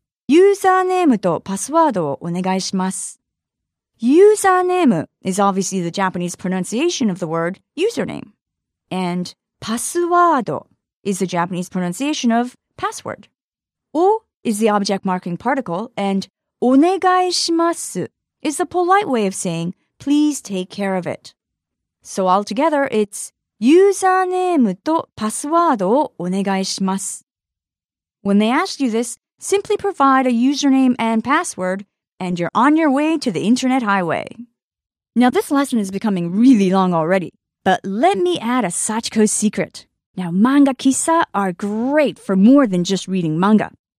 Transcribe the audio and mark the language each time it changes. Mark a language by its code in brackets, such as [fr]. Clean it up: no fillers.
[ja] Username とパスワードをお願いします。 [en] Username is obviously the Japanese pronunciation of the word username. And [ja] パスワード [en] is the Japanese pronunciation of password. O is the object marking particle, and [ja] お願いします [en] is the polite way of saying, please take care of it. So altogether, it's [ja] username とパスワードをお願いします。 [en] When they ask you this, simply provide a username and password, and you're on your way to the internet highway. Now this lesson is becoming really long already, but let me add a Sachiko secret. Now, manga kissa are great for more than just reading manga.